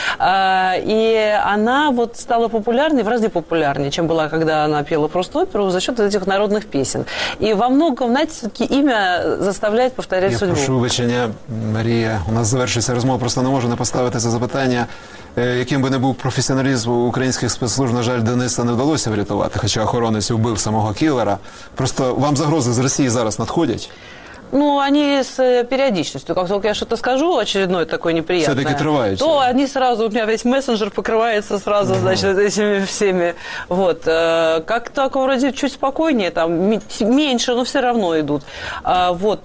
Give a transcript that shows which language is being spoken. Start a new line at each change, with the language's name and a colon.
Russian: И она вот стала популярной, в разы популярнее, чем была, когда она пела просто оперу, за счет этих народных песен. И во многом, знаете, все-таки имя заставляет повторять я судьбу.
Ukrainian: Я прошу вибачення, Марія, у нас завершується розмова, просто не можу не поставити це запитання. Яким би не був професіоналізм українських спецслужб, на жаль, Дениса не вдалося врятувати, хоча охоронець вбив самого кілера. Просто вам загрози з Росії зараз надходять?
Russian: Ну, они с периодичностью. Как только я что-то скажу, очередное такое неприятное. Все-таки трываются. То они сразу, у меня весь мессенджер покрывается сразу, значит, этими всеми. Вот. Как так, вроде, чуть спокойнее, там, меньше, но все равно идут. Вот.